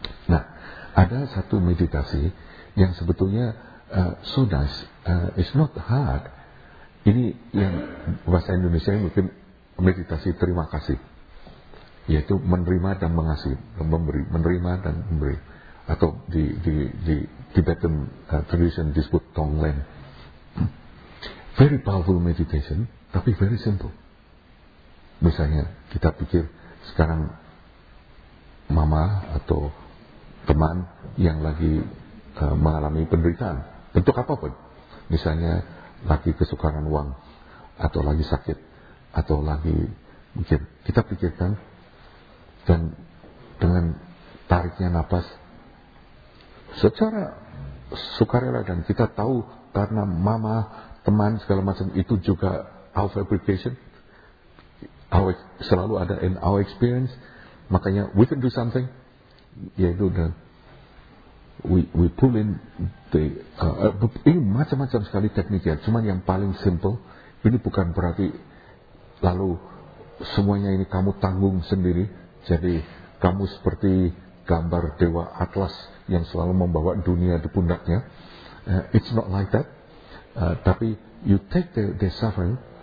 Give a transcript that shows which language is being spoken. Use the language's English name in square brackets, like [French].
[Indonesian] Nah, ada satu meditasi yang sebetulnya [English] so nice, it's not hard. [Indonesian] Ini yang bahasa Indonesia mungkin meditasi terima kasih, yaitu menerima dan mengasihi, memberi, menerima dan memberi, atau di Tibetan tradition disebut Tonglen. [English] Very powerful meditation, tapi very simple. [Indonesian] Misalnya kita pikir sekarang mama atau teman yang lagi mengalami penderitaan bentuk apapun, misalnya lagi kesukaran uang atau lagi sakit atau lagi mungkin kita pikirkan, dan dengan tariknya nafas secara sukarela, dan kita tahu karena mama, teman segala macam itu juga [English] our fabrication, [Indonesian] selalu ada [English] in our experience, [Indonesian] makanya [English] we can do something, [Indonesian] yaitu dengan [English] we pull in the [Indonesian] ini macam-macam sekali tekniknya, cuman yang paling simple ini bukan berarti lalu semuanya ini kamu tanggung sendiri, jadi kamu seperti gambar dewa Atlas yang selalu membawa dunia di pundaknya. [English] It's not like that, tapi you take the suffering.